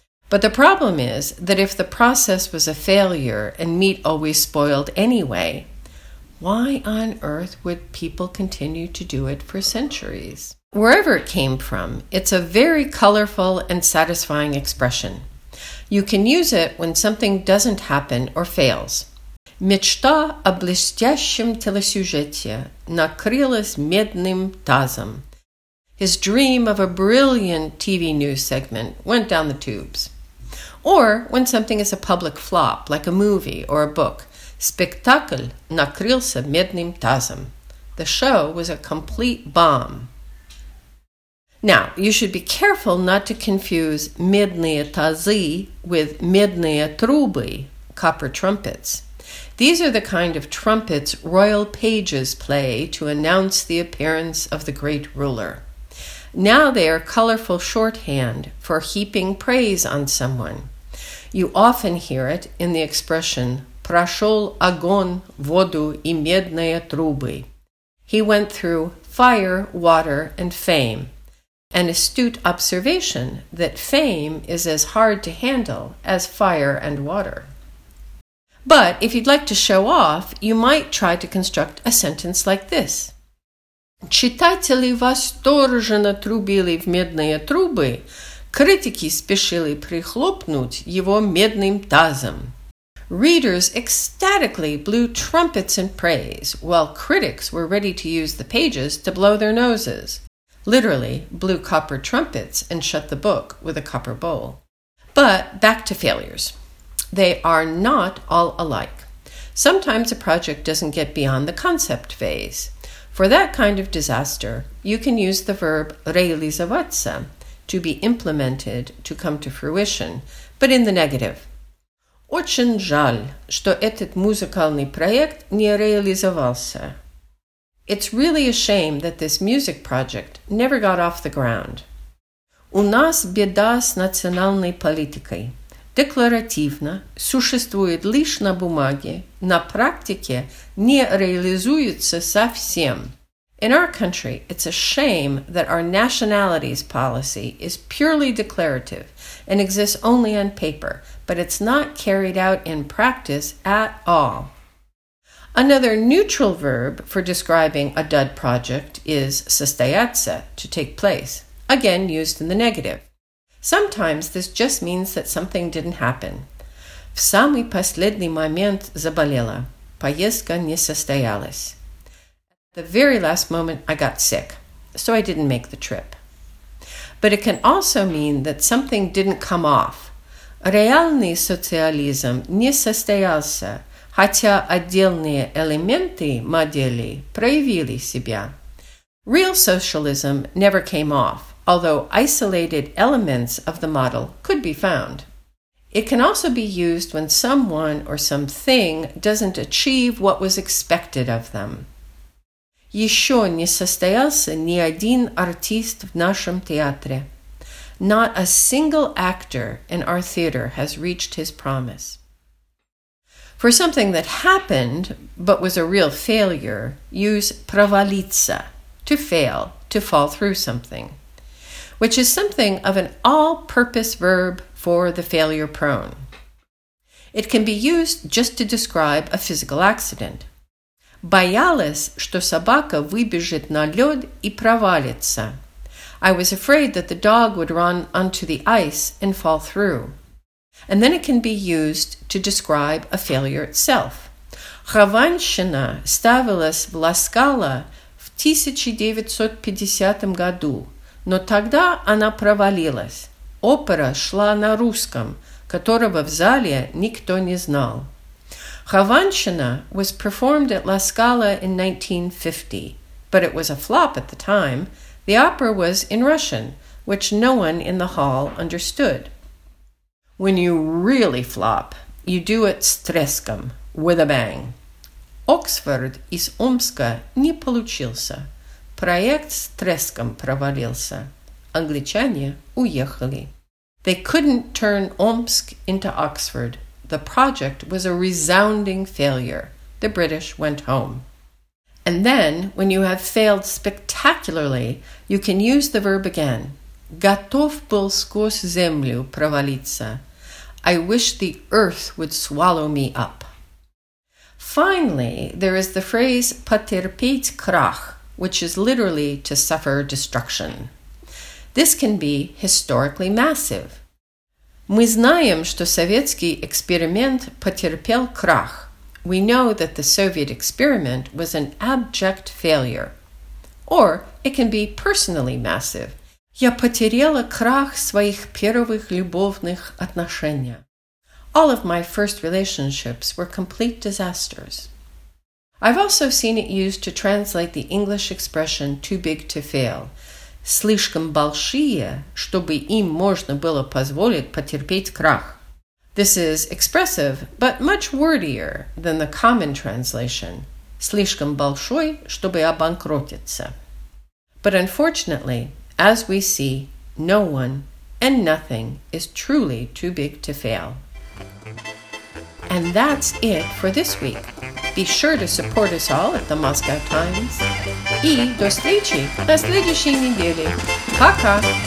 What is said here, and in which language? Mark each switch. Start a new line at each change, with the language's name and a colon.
English: But the problem is that if the process was a failure and meat always spoiled anyway, why on earth would people continue to do it for centuries? Wherever it came from, it's a very colorful and satisfying expression. You can use it when something doesn't happen or fails.
Russian: Мечта о блестящем телесюжете накрылась медным тазом.
English: His dream of a brilliant TV news segment went down the tubes. Or when something is a public flop, like a movie or a book.
Russian: Спектакль накрылся медным тазом.
English: The show was a complete bomb. Now, you should be careful not to confuse
Russian: медные тазы
English: with
Russian: медные трубы,
English: copper trumpets. These are the kind of trumpets royal pages play to announce the appearance of the great ruler. Now they are colorful shorthand for heaping praise on someone. You often hear it in the expression
Russian: «прошел огонь, воду и медные трубы».
English: He went through fire, water, and fame. An astute observation that fame is as hard to handle as fire and water. But if you'd like to show off, you might try to construct a sentence like this.
Russian: Читатели восторженно трубили в медные трубы, критики спешили прихлопнуть его медным тазом.
English: Readers ecstatically blew trumpets in praise, while critics were ready to use the pages to blow their noses. Literally, blew copper trumpets and shut the book with a copper bowl. But back to failures. They are not all alike. Sometimes a project doesn't get beyond the concept phase. For that kind of disaster, you can use the verb реализоваться, to be implemented, to come to fruition, but in the negative.
Russian: Очень жаль, что этот музыкальный проект не реализовался.
English: It's really a shame that this music project never got off the ground.
Russian: У нас беда с национальной политикой. Декларативно, существует лишь на бумаге, на практике не реализуется совсем.
English: In our country, it's a shame that our nationalities policy is purely declarative and exists only on paper, but it's not carried out in practice at all. Another neutral verb for describing a dud project is состояться, to take place, again used in the negative. Sometimes this just means that something didn't happen.
Russian: В самый последний момент заболела. Поездка не состоялась.
English: The very last moment I got sick, so I didn't make the trip. But it can also mean that something didn't come off.
Russian: Реальный социализм не состоялся, хотя отдельные элементы модели проявили себя.
English: Real socialism never came off, although isolated elements of the model could be found. It can also be used when someone or something doesn't achieve what was expected of them.
Russian: Еще не состоялся ни один артист в нашем театре.
English: Not a single actor in our theater has reached his promise. For something that happened, but was a real failure, use провалиться, to fail, to fall through something, which is something of an all-purpose verb for the failure prone. It can be used just to describe a physical accident.
Russian: Боялась, что собака выбежит на лед и провалится.
English: I was afraid that the dog would run onto the ice and fall through. And then it can be used to describe a failure itself.
Russian: Хованщина ставилась в Ласкала в 1950 году, но тогда она провалилась. Опера шла на русском, которого в зале никто не знал.
English: Хованщина was performed at La Scala in 1950, but it was a flop at the time. The opera was in Russian, which no one in the hall understood. When you really flop, you do it стреском, with a bang.
Russian: Oxford из Омска не получился. Проект стреском провалился. Англичане уехали.
English: They couldn't turn Омск into Oxford. The project was a resounding failure. The British went home. And then, when you have failed spectacularly, you can use the verb again.
Russian: Готов был сквозь землю провалиться.
English: I wish the earth would swallow me up. Finally, there is the phrase
Russian: потерпеть крах,
English: which is literally to suffer destruction. This can be historically massive.
Russian: Мы знаем, что советский эксперимент потерпел крах.
English: We know that the Soviet experiment was an abject failure. Or it can be personally massive.
Russian: Я потеряла крах своих первых любовных отношений.
English: All of my first relationships were complete disasters. I've also seen it used to translate the English expression too big to fail.
Russian: Слишком большие, чтобы им можно было позволить потерпеть крах.
English: This is expressive, but much wordier than the common translation.
Russian: Слишком большой, чтобы обанкротиться.
English: But unfortunately, as we see, no one and nothing is truly too big to fail. And that's it for this week. Be sure to support us all at the Moscow Times.
Russian: И до встречи на следующей неделе. Пока!